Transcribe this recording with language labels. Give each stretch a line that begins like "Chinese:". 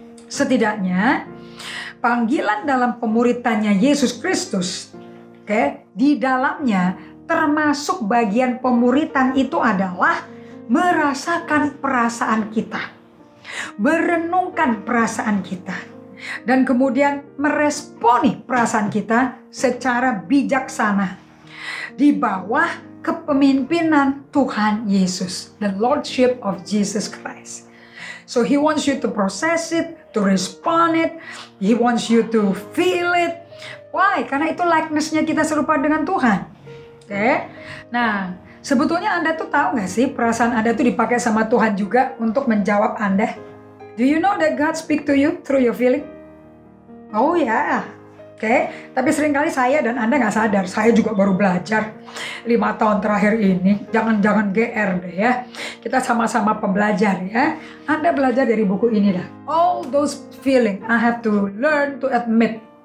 Indonesian: Setidaknya, panggilan dalam pemuritannya Yesus Kristus, okay, di dalamnya termasuk bagian pemuritan itu adalah merasakan perasaan kita, merenungkan perasaan kita, dan kemudian meresponi perasaan kita secara bijaksana di bawah kepemimpinan Tuhan Yesus,
English: the Lordship of Jesus Christ. So He wants you to process it, to respond it, He wants you to feel it. Why?
Indonesian: Karena itu likeness-nya kita serupa dengan Tuhan. Oke? Okay? Nah, sebetulnya Anda tuh tahu nggak sih perasaan Anda tuh dipakai sama Tuhan juga untuk menjawab Anda?
English: Do you know that God speak to you through your feeling? Oh ya. Yeah.
Indonesian: Oke, tapi seringkali saya dan Anda nggak sadar, saya juga baru belajar 5 tahun terakhir ini. Jangan-jangan GR deh ya. Kita sama-sama pembelajar ya. Anda belajar dari buku ini lah.
English: All those feeling I have to learn to admit.